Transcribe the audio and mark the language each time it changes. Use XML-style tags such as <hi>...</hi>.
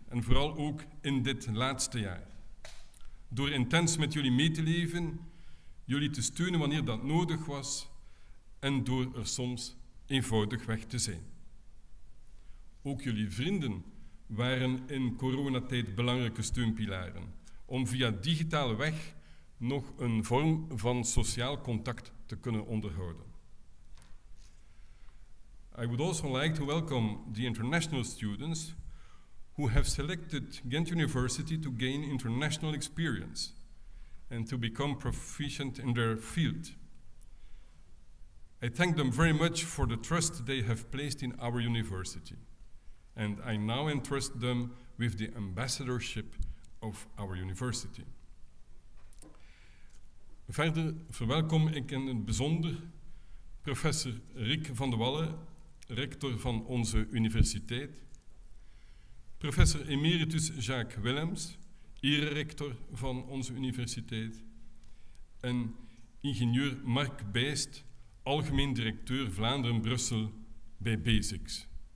<nl>En vooral ook in dit laatste jaar. Door intens met jullie mee te leven, jullie te steunen wanneer dat nodig was en door er soms eenvoudig weg te zijn. Ook jullie vrienden waren in coronatijd belangrijke steunpilaren om via digitale weg nog een vorm van sociaal contact te kunnen onderhouden.</nl> <en>I would also like to welcome the international students who have selected Ghent University to gain international experience and to become proficient in their field. I thank them very much for the trust they have placed in our university, and I now entrust them with the ambassadorship of our university.</en> <nl>Verder verwelkom ik in het bijzonder professor Rick van de Wallen, rector van onze universiteit, professor emeritus Jacques Willems, ererector van onze universiteit, en ingenieur Mark Bijst, algemeen directeur Vlaanderen-Brussel bij BASICS.</nl>